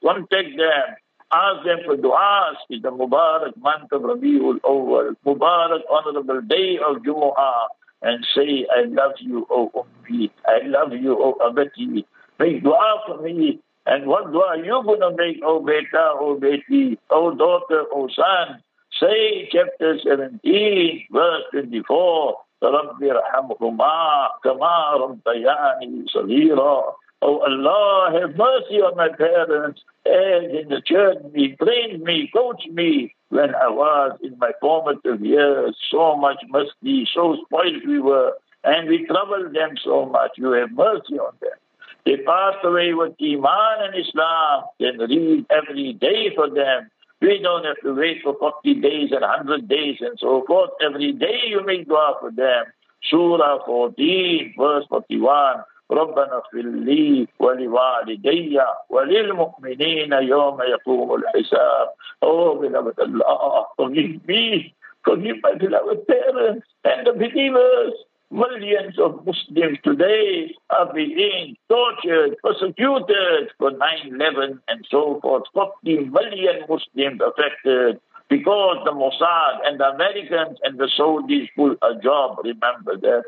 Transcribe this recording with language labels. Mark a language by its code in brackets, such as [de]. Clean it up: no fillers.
[en] Contact them. Ask them for du'as. It's the Mubarak month of Rabi'ul Awwal, Mubarak honorable day of Jumu'ah. And say, I love you, O Ummi. I love you, O Abati. Make du'a for me. And what du'a are you going to make, O Beta, O Beti, O daughter, O son? Say, chapter 17, verse 24, [ar] رَبِّ رَحَمْهُمَا كَمَا رَبَّيَانِي صَغِيرًا. [en] O Allah, have mercy on my parents, as in the church me, trained me, coached me when I was in my formative years, so much musty, so spoiled we were, and we troubled them so much. You have mercy on them. They passed away with Iman and Islam, then read every day for them. We don't have to wait for 40 days and 100 days and so forth. Every day you make dua for them. Surah 14, verse 41. [ar] ربنا اغفر لي ولوالدي وللمؤمنين يوم يقوم الحساب. [en] Oh, beloved Allah, forgive me. Forgive my beloved parents and the believers. Millions of Muslims today are being tortured, persecuted for 9/11 and so forth. 40 million Muslims affected because the Mossad and the Americans and the Saudis pull a job. Remember that.